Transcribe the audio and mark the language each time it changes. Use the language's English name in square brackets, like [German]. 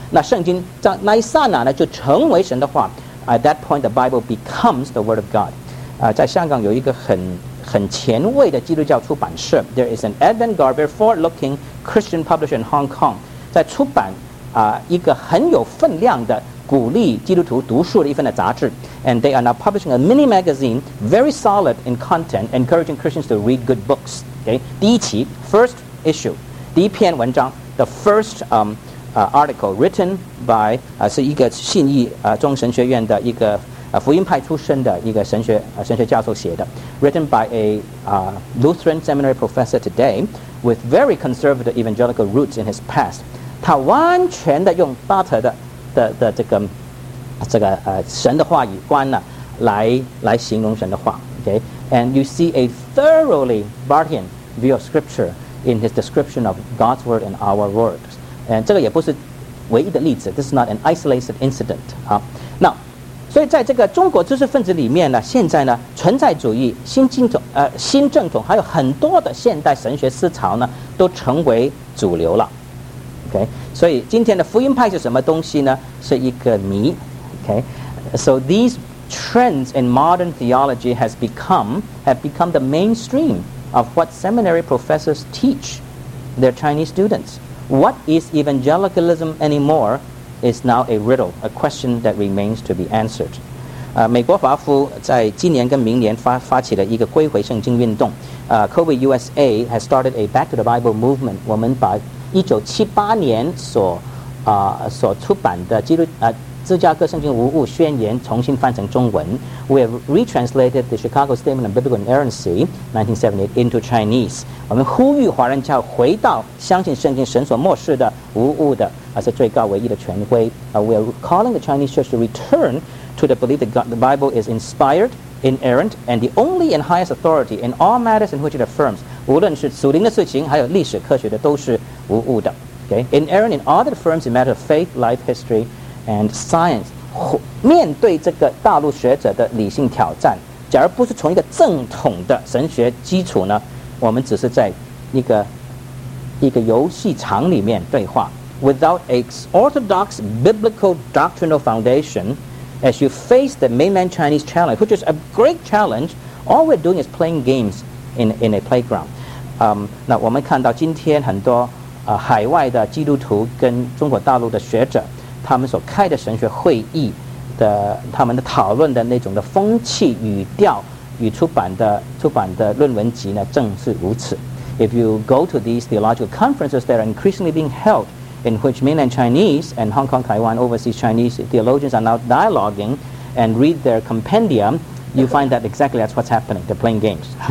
[Chinese] 那圣经那一刹那呢，就成为神的话。 [English] At that point, the Bible becomes the Word of God. [Chinese] 在香港有一个很前卫的基督教出版社。 [English] There is an avant-garde, very forward-looking Christian publisher in Hong Kong. [Chinese] 在出版一个很有分量的鼓励基督徒读书的一份的杂志。 [English] And they are now publishing a mini magazine, very solid in content, encouraging Christians to read good books. Okay, [Chinese] 第一期 [English] first issue, [Chinese] 第一篇文章 [English] the first article written by [Chinese] 是一个信义中神学院的一个福音派出身的一个神学教授写的， [English] written by a Lutheran seminary professor today with very conservative evangelical roots in his past. [Chinese] 他完全的用巴特的这个神的话语观呢，来形容神的话。 [English] Okay, and you see a thoroughly Barthian view of scripture in his description of God's word and our word. And [Chinese] 这个也不是唯一的例子， [English] this is not an isolated incident. [Chinese] 好，那所以在这个中国知识分子里面呢，现在呢，存在主义、新正统，还有很多的现代神学思潮呢，都成为主流了。 Okay, 所以今天的福音派是什么东西呢？是一个谜。 [English] Okay, so these trends in modern theology have become the mainstream of what seminary professors teach their Chinese students. What is evangelicalism anymore is now a riddle, a question that remains to be answered. [Chinese] 美国华夫在今年跟明年发起了一个归回圣经运动。 [English] COVID USA has started a Back to the Bible movement. [Chinese] 我们把 1978年所出版的基督芝加哥圣经无误宣言重新翻成中文。 [English] We have retranslated the Chicago Statement on Biblical Inerrancy, 1978, into Chinese. [Chinese] 我们呼吁华人教回到相信圣经神所默示的无误的，而是最高唯一的权威。 [English] We are calling the Chinese church to return to the belief that God, the Bible is inspired, inerrant, and the only and highest authority in all matters in which it affirms. [Chinese] 无论是属灵的事情，还有历史科学的，都是无误的。 [English] Okay? Inerrant in all that affirms in matter of faith, life, history,and science. [Chinese] 面对这个大陆学者的理性挑战，假如不是从一个正统的神学基础呢，我们只是在一个游戏场里面对话。 [English] Without a orthodox biblical doctrinal foundation, as you face the mainland Chinese challenge, which is a great challenge, all we're doing is playing games in a playground. [Chinese] 那我们看到今天很多海外的基督徒跟中国大陆的学者他们所开的神学会议的他们的讨论的那种的风气语调与出版的论文集呢正是如此。 [English] If you go to these theological conferences that are increasingly being held in which mainland Chinese and Hong Kong, Taiwan, overseas Chinese theologians are now dialoguing and read their compendium, you find that exactly that's what's happening, they're playing games.